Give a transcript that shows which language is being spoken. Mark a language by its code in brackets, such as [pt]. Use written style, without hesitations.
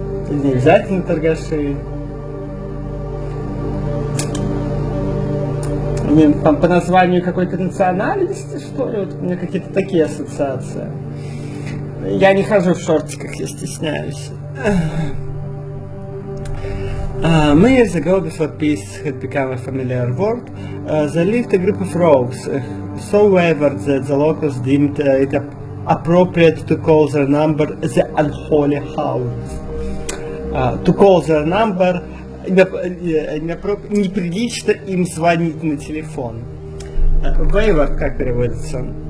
[ru] Не обязательно торгаши. Там по названию какой-то национальности, что ли, вот у меня какие-то такие ассоциации. Я не хожу в шортиках, я стесняюсь. [en] Many years ago, before peace had become a familiar word, there lived a group of rogues, so wayward that the locals deemed it appropriate to call their number the Unholy House. To call their number... [ru] неприлично им звонить на телефон. Вейвер, как переводится?